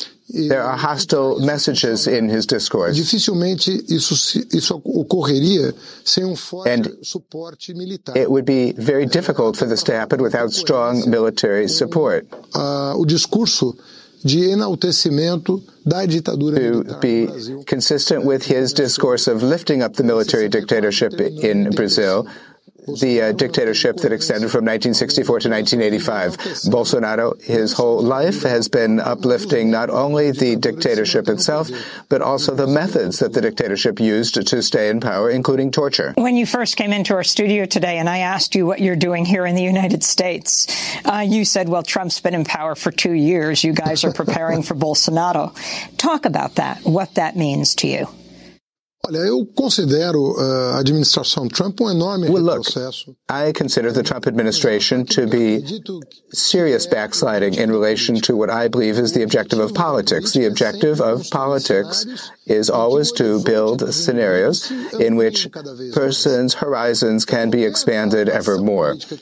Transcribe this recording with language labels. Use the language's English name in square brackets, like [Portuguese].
[English] There are hostile messages in his discourse. [Portuguese] Dificilmente isso ocorreria sem forte suporte militar. [English] It would be very difficult for this to happen without strong military support. [Portuguese] O discurso de enaltecimento da ditadura militar. [English] To be consistent with his discourse of lifting up the military dictatorship in Brazil. The dictatorship that extended from 1964 to 1985. Bolsonaro, his whole life, has been uplifting not only the dictatorship itself, but also the methods that the dictatorship used to stay in power, including torture. When you first came into our studio today and I asked you what you're doing here in the United States, you said, well, Trump's been in power for 2 years. You guys are preparing for Bolsonaro. Talk about that, what that means to you. [Portuguese] Olha, eu considero a administração Trump enorme retrocesso. [English] Well, look, I consider the Trump administration to be serious backsliding in relation to what I believe is the objective of politics. The objective of politics is always to build scenarios in which persons' horizons can be expanded ever more.